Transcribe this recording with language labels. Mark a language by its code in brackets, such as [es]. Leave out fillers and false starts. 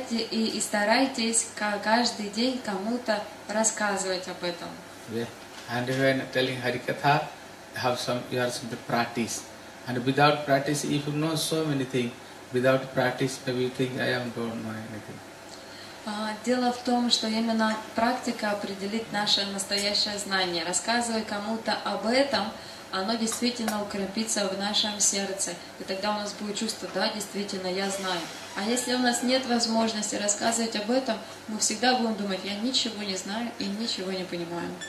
[ru] И старайтесь каждый день кому-то рассказывать об этом. [en] Yeah. And when telling Harikatha, you have some practice. And without practice, if you know so many things, without practice, maybe you think, I don't know anything. [ru] Дело в том, что именно практика определит наше настоящее знание. Рассказывай кому-то об этом, оно действительно укрепится в нашем сердце. И тогда у нас будет чувство, да, действительно, я знаю. А если у нас нет возможности рассказывать об этом, мы всегда будем думать, я ничего не знаю и ничего не понимаю.